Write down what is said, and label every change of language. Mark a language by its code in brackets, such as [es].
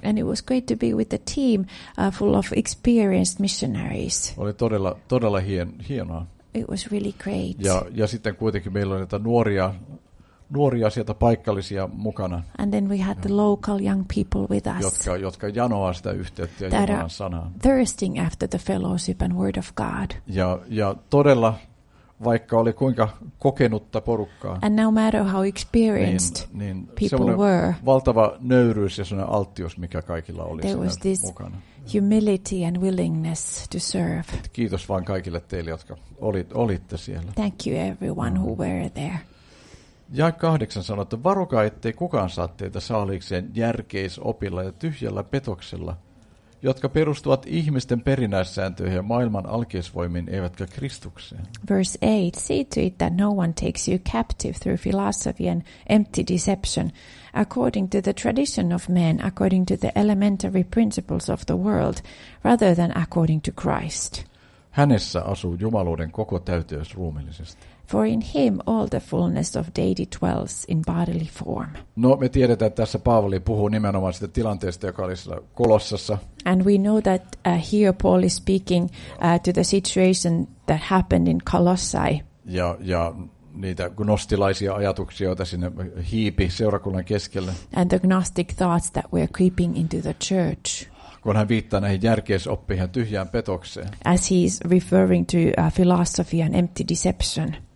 [en] And it was great to be with a team full of experienced missionaries. [fi] Oli todella hienoa. [en] It was really great. [fi] Ja sitten kuitenkin meillä oli näitä nuoria sieltä paikallisia mukana. [en] And then we had the local young people with us. [fi] Jotka janoaa sitä yhteyttä ja Jumalan sanaa. [en] Thirsting after the fellowship and word of God. [fi] Ja todella, vaikka oli kuinka kokenutta porukkaa. [en] And no matter how experienced [fi] niin [en] people were. [fi] Valtava nöyryys ja semmoinen alttius, mikä kaikilla oli siinä mukana. [en] There was this humility and willingness to serve. [fi] Kiitos vaan kaikille teille, jotka olitte siellä. [en] Thank you everyone who were there. [fi] Ja 8 sanoi, että varokaa, ettei kukaan saa teitä saaliikseen järkeisopilla ja tyhjällä petoksella, jotka perustuvat ihmisten perinnäissääntöihin ja maailman alkeisvoimiin, eivätkä Kristukseen. [en] Verse 8. See to it that no one takes you captive through philosophy and empty deception, according to the tradition of men, according to the elementary principles of the world, rather than according to Christ. [fi] Hänessä asuu jumaluuden koko täyteys ruumillisesti. [en] For in him all the fullness of deity dwells in bodily form. [fi] No, me tiedetään, että tässä Paavali puhuu nimenomaan siitä tilanteesta, joka oli siellä Kolossassa. [en] And we know that here Paul is speaking to the situation that happened in Colossae. [fi] Ja niitä gnostilaisia ajatuksia, joita sinne hiipi seurakunnan keskelle. [en] And the gnostic thoughts that were creeping into the church. [fi] Kun hän viittaa näihin järkeisoppiin ja tyhjään petokseen. [en] As he is referring to philosophy and empty deception.